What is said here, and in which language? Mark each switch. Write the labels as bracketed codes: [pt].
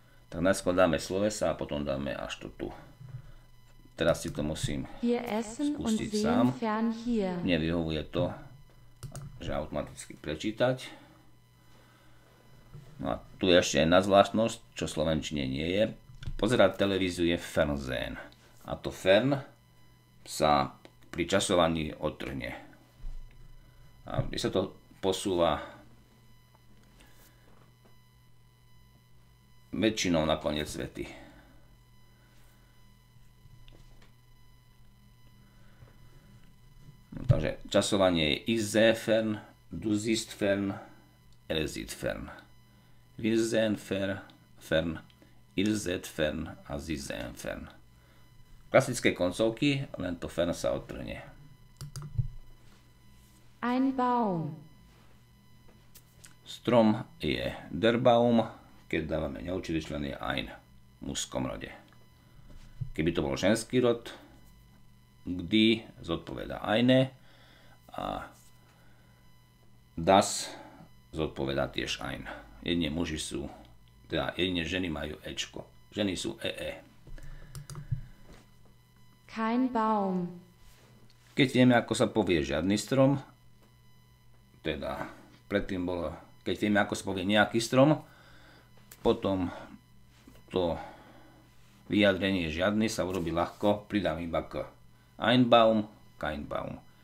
[sk] Tak najskôr dáme slovesa a potom dáme až to tu. Teraz si to musím skúsiť sám. Mne vyhovuje to, že automaticky prečítať. No a tu je ešte jedna zvláštnosť, čo v slovenčine nie je. Pozerať televíziu je fernsehen. A to fern sa pri časovaní odtrhne. A kde sa to posúva väčšinou na koniec vety. No, takže časovanie je [de] ize fern, du zist fern, er zit fern. Wir sehen fern, ihr seht fern a sie sehen fern. [sk] Klasické koncovky, len to fern sa odtrhne. [de] Ein Baum. [sk] Strom je der Baum, keď dávame neurčitý člen je ein v mužskom rode. Keby to bol ženský rod, kdy zodpovedá eine a das zodpovedá tiež ein. Jedine muži sú, teda jedine ženy majú ečko. Ženy sú ee. [de] Kein Baum. [sk] Keď vieme, ako sa povie žiadny strom, teda predtým bolo, keď vieme, ako sa povie nejaký strom, potom to vyjadrenie žiadny sa urobí ľahko, pridám iba k [de] ein Baum, kein Baum.